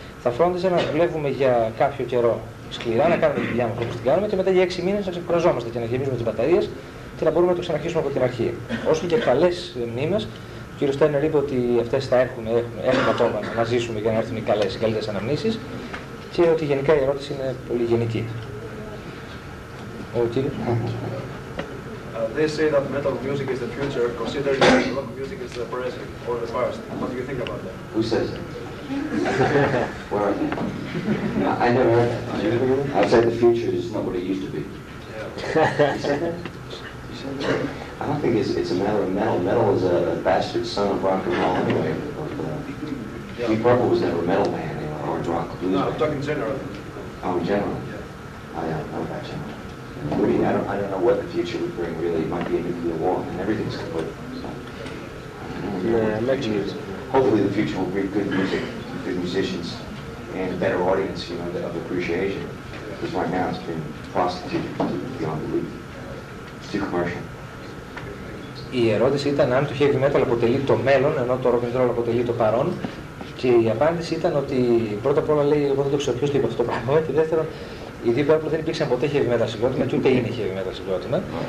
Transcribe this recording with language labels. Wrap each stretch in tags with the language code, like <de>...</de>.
<el>Θα φρόντιζε να δουλεύουμε για κάποιο καιρό σκληρά, να κάνουμε τη δουλειά μας όπως την κάνουμε και μετά για 6 μήνες να ξεκουραζόμαστε και να γεμίζουμε τις μπαταρίες και να μπορούμε να το ξαναρχίσουμε από την αρχή. Όσο και καλές μνήμες, ο κ. Στέρνερ είπε ότι αυτές θα έχουν, έχουμε ακόμα να ζήσουμε για να έρθουν οι καλές, οι καλύτερες αναμνήσεις και ότι γενικά η ερώτηση είναι πολύ γενική. Ο κ.</el> <en>They say that metal music is the future, considering that rock music is the present or the past. What do you think about that? Who says that? Where are they? No, I never heard that. I'd say the future is not what it used to be. You said that? I don't think it's a matter of metal. Metal is a bastard son of rock and roll anyway. Deep Purple was never a metal band, you know, or a rock blues band. No, I'm talking generally. Oh, in general? Yeah. I don't know about general. I don't know what the future would bring, really. It might be a nuclear war, and everything's complete. So, I don't know. Hopefully the future will bring good music, good musicians, and a better audience, you know, of appreciation. Because right now it's been prostituted beyond belief. It's too commercial.</en> <el>Η ερώτηση ήταν αν το heavy metal αποτελεί το μέλλον, ενώ το rock and roll αποτελεί το παρόν. Και η απάντηση ήταν ότι πρώτα απ' όλα λέει, εγώ δεν το ξέρω ποιος το είπε αυτό το πράγμα, και δεύτερον, οι Deep Purple δεν υπήρξαν ποτέ heavy metal συγκρότημα, και ούτε είναι heavy metal συγκρότημα.</el>